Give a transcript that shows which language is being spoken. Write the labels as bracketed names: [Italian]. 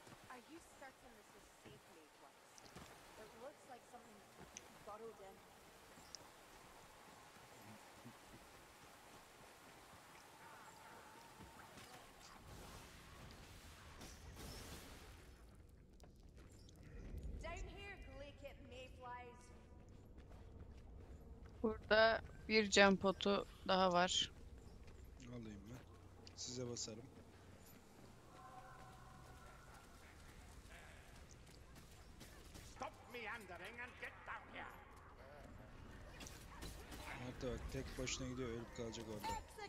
[English] Are you certain this is safe, Mayflex? It looks like something bottled in. Down here, Glacket Mayflies. [Turkish] Burada bir cam potu daha var. Alayım ben. Size basarım. [English] Stop meandering and get down here. [Turkish] Hatta bak, tek başına gidiyor, ölüp kalacak orada.